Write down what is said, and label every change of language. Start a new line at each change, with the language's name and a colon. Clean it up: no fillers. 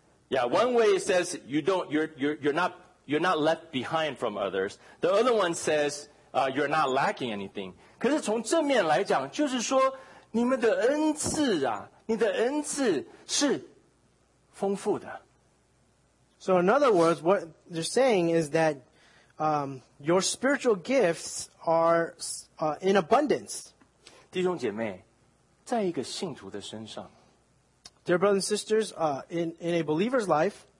English: Yeah, one way it says you don't, you're not left behind from others. The other one says you're not lacking anything.
Chinese: 可是从正面来讲，就是说你们的恩赐啊，你的恩赐是丰富的。
English: So in other words, what they're saying is that your spiritual gifts are in abundance.
Chinese: 弟兄姐妹, 在一个信徒的身上,
English: Dear brothers and sisters, in a believer's life,